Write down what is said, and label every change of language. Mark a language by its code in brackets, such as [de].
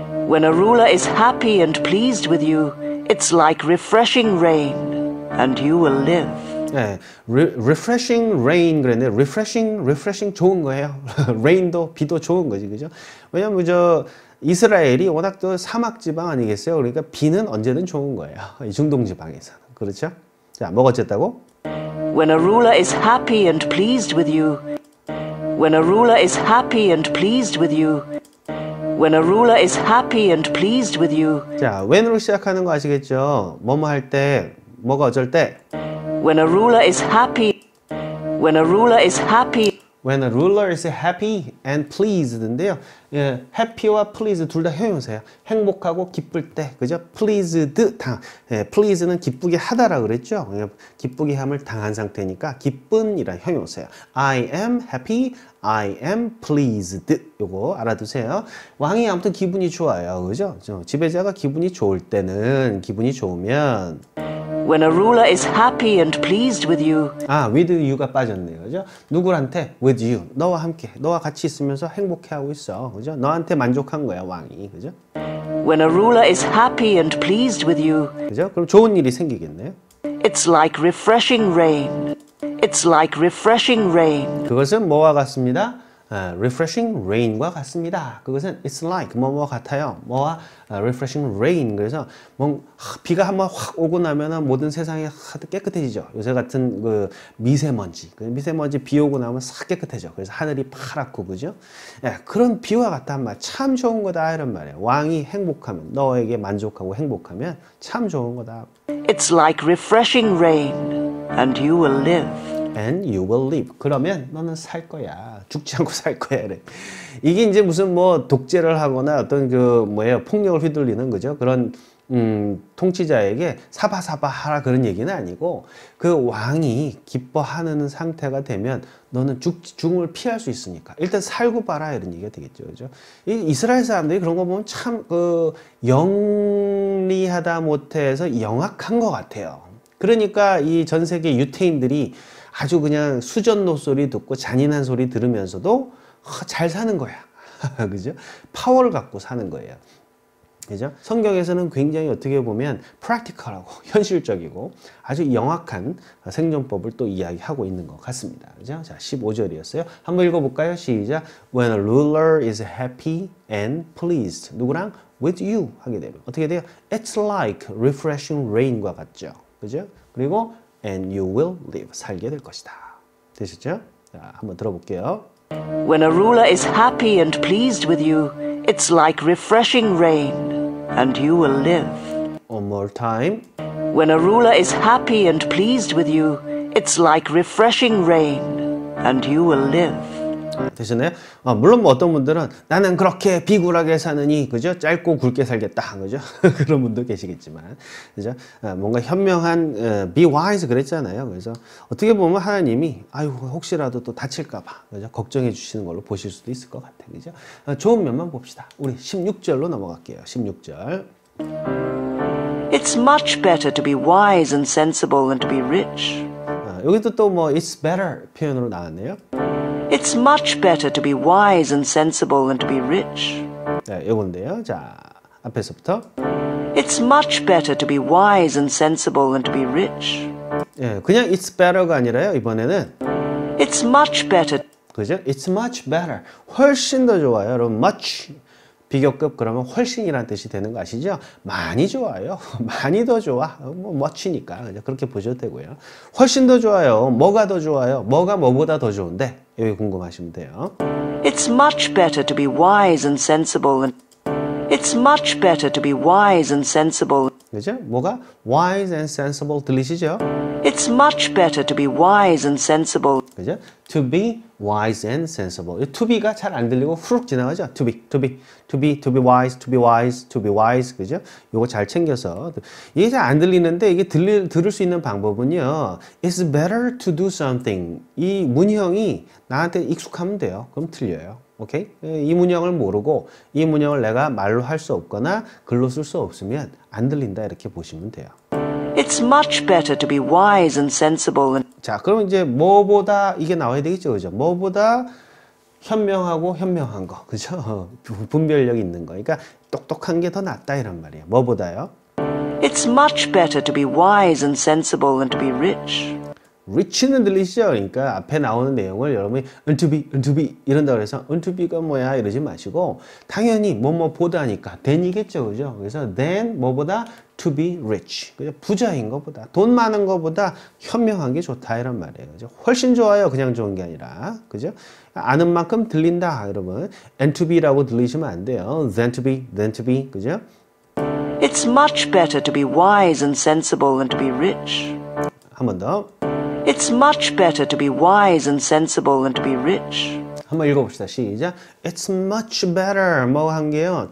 [en] When a ruler is happy and pleased with you, it's like refreshing rain, and you will live. [ko] 네, [en] refreshing rain [ko] 그랬는데 refreshing 좋은 거예요. rain도 비도 좋은 거지, 그죠? 왜냐면 저 이스라엘이 워낙 또 사막 지방 아니겠어요? 그러니까 비는 언제든 좋은 거예요. 이 중동 지방에서는 그렇죠? 자, 뭐가 어쨌다고? [en] When a ruler is happy and pleased with you, when a ruler is happy and pleased with you, when a ruler is happy and pleased with you. [ko] 자, when으로 시작하는 거 아시겠죠? 뭐뭐 할 때, 뭐가 어쩔 때. [en] When a ruler is happy, when a ruler is happy. When a ruler is happy and pleased인데요. [ko] 예, happy와 pleased 둘 다 형용사예요. 행복하고 기쁠 때, 그죠? pleased 당. 예, pleased는 기쁘게 하다라고 그랬죠. 예, 기쁘게 함을 당한 상태니까 기쁜이란 형용사예요. [en] I am happy, I am pleased. [ko] 요거 알아두세요. 왕이 아무튼 기분이 좋아요, 그죠? 지배자가 기분이 좋을 때는 기분이 좋으면. [en] When a ruler is happy and pleased with you. [ko] 아, with you가 빠졌네요. 그죠? 누구한테? [en] With you. [ko] 너와 함께. 너와 같이 있으면서 행복해하고 있어. 그죠? 너한테 만족한 거야, 왕이. 그죠? [en] When a ruler is happy and pleased with you. [ko] 그죠? 그럼 좋은 일이 생기겠네요. [en] It's like refreshing rain. It's like refreshing rain. [ko] 그것은 뭐와 같습니다? [en] Refreshing rain [ko] 과 같습니다. 그것은 [en] it's like [ko] 뭐뭐 같아요. 뭐와 [en] refreshing rain. [ko] 그래서 뭐 비가 한번 확 오고 나면은 모든 세상이 깨끗해지죠. 요새 같은 그 미세먼지, 그 미세먼지 비 오고 나면 싹 깨끗해져. 그래서 하늘이 파랗고 그죠? 예, 그런 비와 같단 말 참 좋은 거다 이런 말이에요. 왕이 행복하면 너에게 만족하고 행복하면 참 좋은 거다. [en] It's like refreshing rain, and you will live. And you will live. [ko] 그러면 너는 살 거야. 죽지 않고 살 거야. 그래. 이게 이제 무슨 뭐 독재를 하거나 어떤 그 뭐예요 폭력을 휘둘리는 거죠. 그런 통치자에게 사바사바 하라 그런 얘기는 아니고 그 왕이 기뻐하는 상태가 되면 너는 죽음을 피할 수 있으니까 일단 살고 봐라 이런 얘기가 되겠죠. 그렇죠? 이스라엘 사람들이 그런 거 보면 참 그 영리하다 못해서 영악한 것 같아요. 그러니까 이 전 세계 유태인들이 아주 그냥 수전 노소리 듣고 잔인한 소리 들으면서도 잘 사는 거야. 그죠? 파워를 갖고 사는 거예요. 그죠? 성경에서는 굉장히 어떻게 보면 프랙티컬하고 현실적이고 아주 영악한 생존법을 또 이야기하고 있는 것 같습니다. 그죠? 자, 15절이었어요. 한번 읽어볼까요? 시작. [en] When a ruler is happy and pleased. [ko] 누구랑? [en] With you. [ko] 하게 되면. 어떻게 돼요? [en] It's like refreshing rain과 같죠. [ko] 그죠? [en] 그리고 And you will live. [ko] 살게 될 것이다. 되셨죠? 자, 한번 들어볼게요. [en] When a ruler is happy and pleased with you, it's like refreshing rain, and you will live. One more time. When a ruler is happy and pleased with you, it's like refreshing rain, and you will live. [ko] 되셨나요? 물론 뭐 어떤 분들은 나는 그렇게 비굴하게 사느니 그죠? 짧고 굵게 살겠다 그죠? 그런 분도 계시겠지만 그죠? 뭔가 현명한 [en] be wise [ko] 그랬잖아요. 그래서 어떻게 보면 하나님이 아이고 혹시라도 또 다칠까봐 그죠? 걱정해 주시는 걸로 보실 수도 있을 것 같아요. 그죠? 좋은 면만 봅시다. 우리 16절로 넘어갈게요. 16절. [en] It's much better to be wise and sensible than to be rich. [ko] 여기도 또 뭐 [en] it's better [ko] 표현으로 나왔네요. [en] It's much better to be wise and sensible than to be rich. [ko] 네, 이건데요. 자, 앞에서부터. [en] It's much better to be wise and sensible than to be rich. [ko] 예, 네, 그냥 [en] it's better [ko] 가 아니라요. 이번에는 [en] It's much better. [ko] 그죠? [en] It's much better. [ko] 훨씬 더 좋아요. 여러분, much 비교급 그러면 훨씬이란 뜻이 되는 거 아시죠? 많이 좋아요. 많이 더 좋아. 뭐 much니까 그렇게 보셔도 되고요. 훨씬 더 좋아요. 뭐가 더 좋아요? 뭐가 뭐보다 더 좋은데? 여기 궁금하시면 돼요. [en] It's much better to be wise and sensible. It's much better to be wise and sensible. [ko] 그죠? 뭐가 [en] wise and sensible [ko] 들리시죠? [en] It's much better to be wise and sensible. 그죠? To be wise and sensible. [ko] To be가 잘 안 들리고 후룩 지나가죠? [en] To be, to be, to be, to be wise, to be wise, to be wise. [ko] 그죠? 요거 잘 챙겨서 이게 잘 안 들리는데 이게 들을 수 있는 방법은요. [en] It's better to do something. [ko] 이 문형이 나한테 익숙하면 돼요. 그럼 틀려요. 오케이? 이 문형을 모르고 이 문형을 내가 말로 할 수 없거나 글로 쓸 수 없으면 안 들린다 이렇게 보시면 돼요. [en] It's much better to be wise and sensible. [ko] 자, 그럼 이제 뭐보다 이게 나와야 되겠죠, 그죠? 뭐보다 현명하고 현명한 거, 그죠? 분별력 있는 거. 그러니까 똑똑한 게 더 낫다 이런 말이에요. 뭐보다요? [en] It's much better to be wise and sensible than to be rich. [ko] Rich는 들리시죠? 그러니까 앞에 나오는 내용을 여러분이 to be 이런다고 해서 to be가 뭐야 이러지 마시고 당연히 뭐뭐보다니까 then이겠죠, 그죠? 그래서 then 뭐보다 [en] to be rich, [ko] 그죠? 부자인 것보다 돈 많은 것보다 현명한 게 좋다 이런 말이에요. 그죠? 훨씬 좋아요. 그냥 좋은 게 아니라, 그죠? 아는 만큼 들린다, 여러분. [en] and to be [ko] 라고 들리시면 안 돼요. [en] than to be, [ko] 그죠? [en] It's much better to be wise and sensible than to be rich. [ko] 한 번 더. [en] It's much better to be wise and sensible than to be rich. [ko] 한번 읽어봅시다. 시작. [en] It's much better [ko] 뭐 한 게요?